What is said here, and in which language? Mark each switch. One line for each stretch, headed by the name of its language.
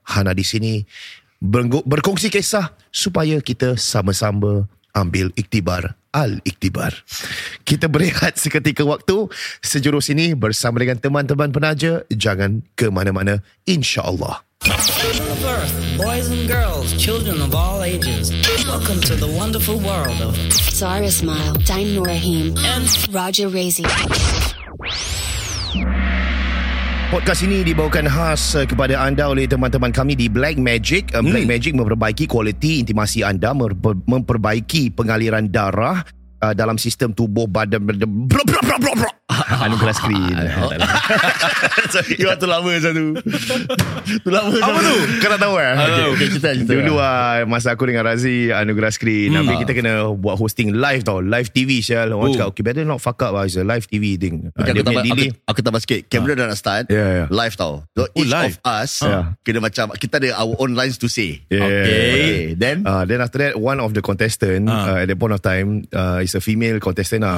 Malay: Hana di sini berkongsi kisah supaya kita sama-sama ambil iktibar al-iktibar. Kita berehat seketika waktu. Sejurus ini bersama dengan teman-teman penaja, jangan ke mana-mana, insyaAllah.
English: Boys and girls, children of all ages, welcome to the wonderful world of Zara Smile, Dain Norahim and Roger Razi.
Malay: Podcast ini dibawakan khas kepada anda oleh teman-teman kami di Black Magic. Black Magic memperbaiki kualiti intimasi anda, memperbaiki pengaliran darah dalam sistem tubuh badan. Anugerah screen.
English: You are too
Malay: lama macam tu. Apa tu? Kau tak tahu kan? Okay, cerita. Dulu masa aku dengan Razi, Anugerah Screen. Habis kita kena buat hosting live tau.
English: Live TV,
Malay: Syal. Orang cakap,
English: okay, better not fuck up. It's a live TV thing.
Malay: Aku tambah sikit. Kamera dah nak start.
English: Yeah. Live
Malay: tau.
English: So each live of us,
Malay: kena macam, kita ada
English: our own lines to say. Yeah. Okay. Then? Then after that, one of the contestant, at the point of time, is a female contestant.